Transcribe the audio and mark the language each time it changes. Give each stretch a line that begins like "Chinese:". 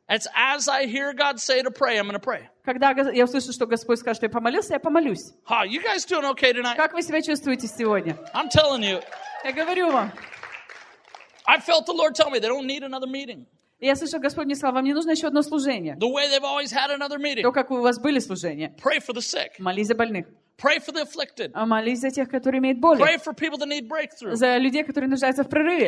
English: It's as I hear God say to pray, I'm going to pray.
Russian: Когда я услышу, что Господь скажет, что я помолился, я помолюсь.
English: Ha, you guys doing okay tonight?
Russian: Как вы себя чувствуете сегодня?
English: I'm telling you.
Russian: Я говорю вам.
English: I felt the Lord tell me they don't need another meeting.
Russian: Я слышал, Господь мне сказал, вам не нужно еще одно служение.
English: The way they've always had another meeting.
Russian: То, как у вас были служения.
English: Pray for the sick.
Russian: Молись за больных.
English: Pray for the afflicted.
Russian: Молись за тех, которые имеют боли.
English: Pray for people that need breakthrough.
Russian: За людей, которые нуждаются в прорыве.